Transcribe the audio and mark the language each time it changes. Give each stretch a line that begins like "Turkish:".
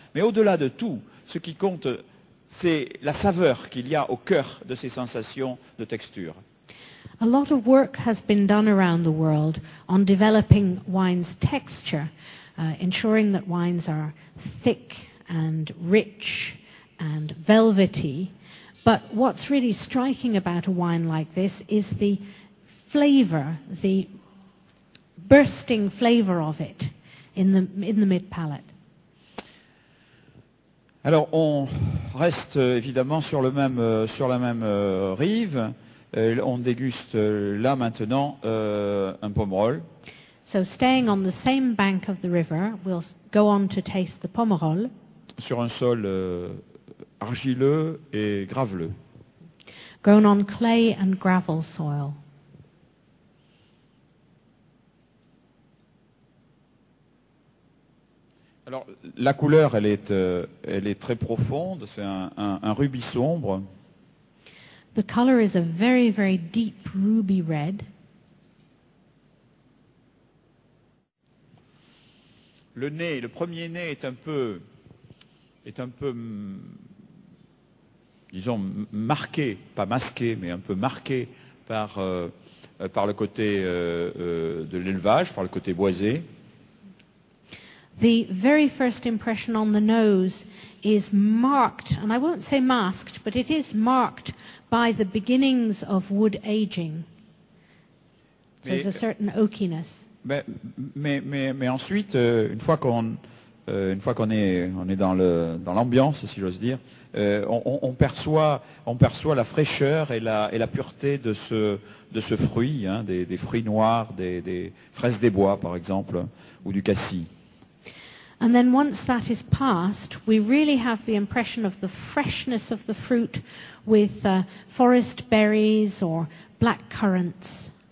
French: Mais au-delà de tout, ce qui compte, c'est la saveur qu'il y a au cœur de ces sensations de texture.
English: A lot of work has been done around the world on developing wine's texture, ensuring that wines are thick and rich and velvety. But what's really striking about a wine like this is the flavor, the bursting flavor of it in the mid palate.
French: Alors on reste évidemment sur la même rive. On déguste là maintenant un Pomerol.
English: So staying on the same bank of the river, we'll go on to taste the Pomerol.
French: Sur un sol argileux et graveleux.
English: Grown on clay and gravel soil.
French: Alors, la couleur, elle est très profonde, c'est un rubis sombre.
English: The color is a very, very deep ruby red.
French: Le nez, le premier nez est un peu, disons, marqué, pas masqué, mais un peu marqué par le côté de l'élevage, par le côté boisé.
English: The very first impression on the nose is marked, and I won't say masked, but it is marked by the beginnings of wood aging. So there's a certain oakiness.
French: Mais ensuite, une fois qu'on est dans l'ambiance, si j'ose dire, on perçoit la fraîcheur et la pureté de ce fruit, hein, des fruits noirs, des fraises des bois, par exemple, ou du cassis.
English: And then once that is passed, we really have the impression of the freshness of the fruit with forest berries or black currants.